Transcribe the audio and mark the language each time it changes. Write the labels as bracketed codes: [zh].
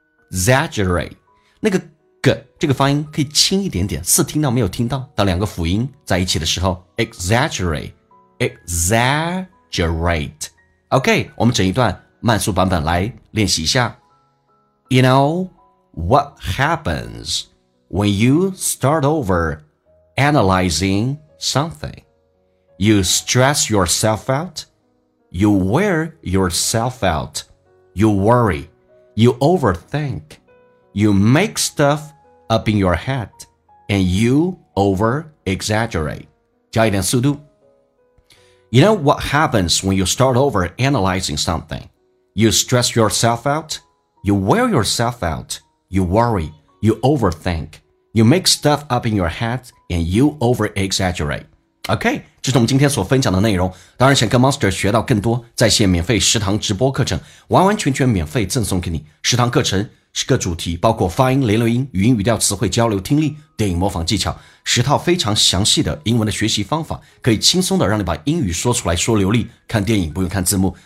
[zh] exaggerate， 那个 g 这个发音可以轻一点点，似听到没有听到，当两个辅音在一起的时候 exaggerate。 OK， 我们整一段慢速版本来练习一下。 [en] You know what happens when you start over analyzing something? You stress yourself out, you wear yourself out, you worry, you overthink, you make stuff up in your head, and you over-exaggerate. [zh] 加一点速度。 [en] You know what happens when you start over analyzing something? You stress yourself out, you wear yourself out, you worry, you overthink, you make stuff up in your head, and you over-exaggerate. [zh] OK， 这是我们今天所分享的内容。当然想跟 Monster 学到更多在线免费食堂直播课程，完完全全免费赠送给你。食堂课程是个主题，包括发音、连留音、语音语调、词汇交流、听力、电影模仿技巧，十套非常详细的英文的学习方法，可以轻松的让你把英语说出来说流利，看电影不用看字幕。